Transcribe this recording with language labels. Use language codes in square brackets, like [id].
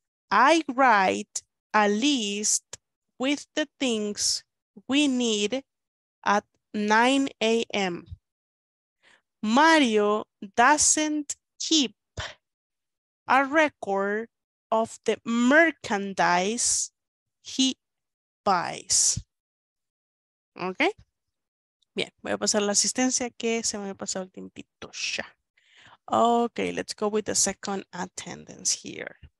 [en] I write a list with the things we need at 9 a.m. Mario doesn't keep a record of the merchandise he buys. ¿Ok? [es] Bien, voy a pasar la asistencia que se me ha pasado el tiempito ya. [en] Ok, let's go with the second attendance here.